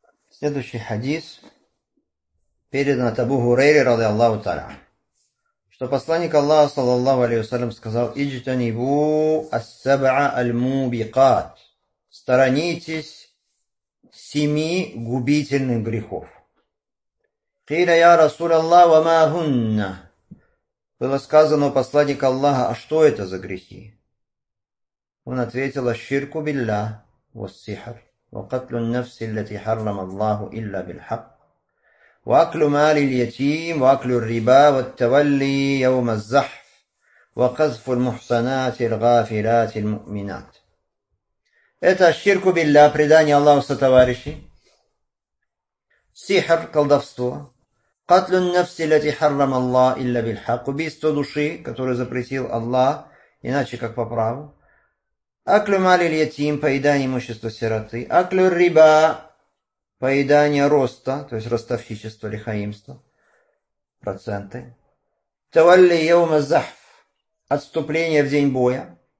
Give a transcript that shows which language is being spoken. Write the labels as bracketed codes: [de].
[ru] Следующий хадис передан от Абу Хурейри, ради Аллаху Таля, что посланник Аллаха, саллаллаху алейхи вассалям, сказал [ar] «Иджтанибу ас-саб'а аль-мубикат» [ru] – «Сторонитесь семи губительных грехов». [ar] «Киля я Расуля Аллах, ва ма гунна» [ru] – было сказано у посланника Аллаха, а что это за грехи? Он ответил [ar] «Аш-ширку билля, вас-сихр». وقتل النفس التي حرم الله إلا بالحق وأكل مال اليتيم وأكل الربا والتولي يوم الزحف وقذف المحصنات الغافلات المؤمنات. [ru] Это ширку билля, предание Аллаху сотоварищи. Сихр, колдовство. [ar] قتل النفس التي حرم الله إلا بالحق. [ru] Убийство души, которую запретил Аллах, иначе как по праву. [ar] Аклю мали льетим, [ru] поедание имущества сироты. [ar] Аклю риба, [ru] поедание роста, то есть ростовщичество, лихаимство, проценты. [ar] Тавалли яума захф, [ru] отступление в день боя.